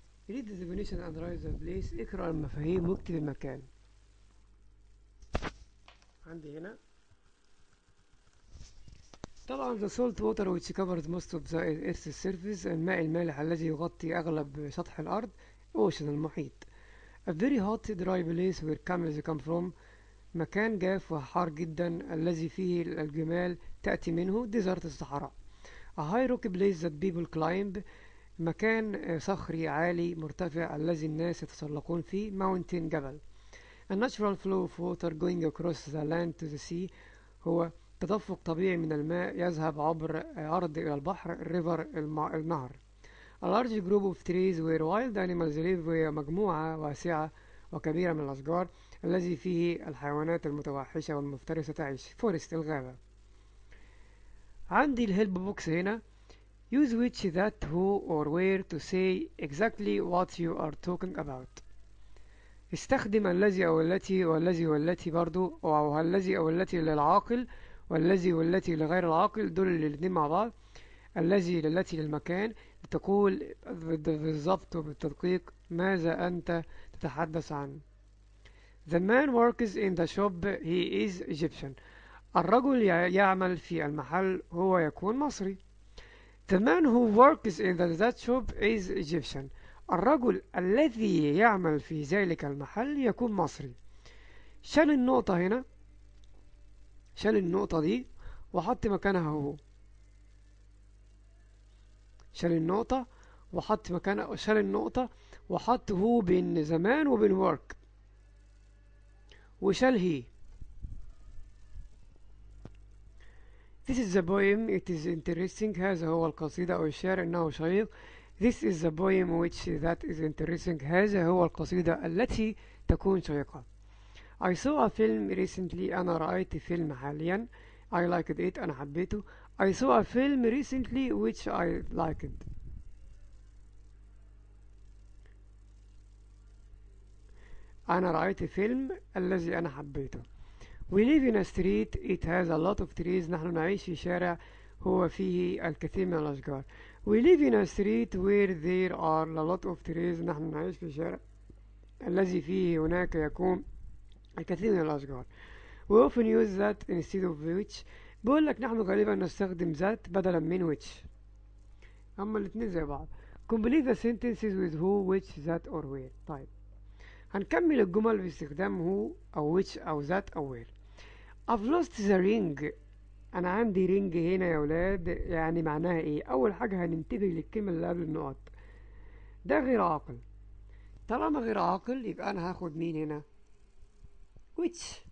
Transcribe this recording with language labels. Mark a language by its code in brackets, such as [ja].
[en] read definition and write the place, [ar] اقرا المفاهيم واكتب المكان. عندي هنا طبعا [en] the salt water which covers most of the earth surface, [ar] الماء المالح الذي يغطي اغلب سطح الارض، اوشن المحيط. [en] A very hot dry place where camels come from. [ar] مكان جاف وحار جدا الذي فيه الجمال تأتي منه. Desert الصحراء. [en] A high rocky place that people climb. [ar] مكان صخري عالي مرتفع الذي الناس يتسلقون فيه. Mountain جبل. [en] A natural flow of water going across the land to the sea. [ar] هو تدفق طبيعي من الماء يذهب عبر الأرض إلى البحر. River النهر. [en] A large group of trees where wild animals live. [ar] وهي مجموعة واسعة وكبيرة من الأشجار الذي فيه الحيوانات المتوحشة والمفترسة تعيش. Forest الغابة. عندي الهيلب بوكس هنا. [en] Use which, that, who or where to say exactly what you are talking about. [ar] استخدم الذي أو التي والذي والتي برضو أو الذي أو التي للعاقل والذي والتي لغير العاقل، دول الاثنين مع بعض. الذي للتي للمكان، تقول بالضبط وبالتدقيق ماذا أنت تتحدث عن. [en] The man works in the shop. He is Egyptian. [ar] الرجل يعمل في المحل، هو يكون مصري. [en] The man who works in that shop is Egyptian. [ar] الرجل الذي يعمل في ذلك المحل يكون مصري. شال النقطة هنا، شال النقطة دي وحط مكانها هو. شال النقطة وحط مكانها، شال النقطة وحط هو بين زمان وبين work، وشال هي. [en] This is the poem. It is interesting. [ar] هذا هو القصيدة أو الشعر، إنه شيق. [en] This is the poem which that is interesting. [ar] هذا هو القصيدة التي تكون شيقة. [en] I saw a film recently. [ar] أنا رأيت فيلم حاليا. [en] I liked it. [ar] أنا حبيته. [en] I saw a film recently which I liked. [ar] أنا رأيت فيلم الذي أنا حبيته. [en] We live in a street. It has a lot of trees. [ar] نحن نعيش في شارع هو فيه الكثير من الأشجار. [en] We live in a street where there are a lot of trees. [ar] نحن نعيش في شارع الذي فيه هناك يكون الكثير من الأشجار. [en] We often use that instead of which. [ar] بقول لك نحن غالبا نستخدم ذات بدلا من which. أما الاثنين زي بعض. [en] Complete the sentences with who, which, that or where. [ar] طيب هنكمل الجمل باستخدام هو أو which أو ذات أو where. [en] I've lost the ring. [ar] أنا عندي رينج هنا يا أولاد، يعني معناها إيه؟ أول حاجة هننتبه للكلمة اللي قبل النقط. ده غير عاقل. طالما غير عاقل يبقى أنا هاخد مين هنا؟ which.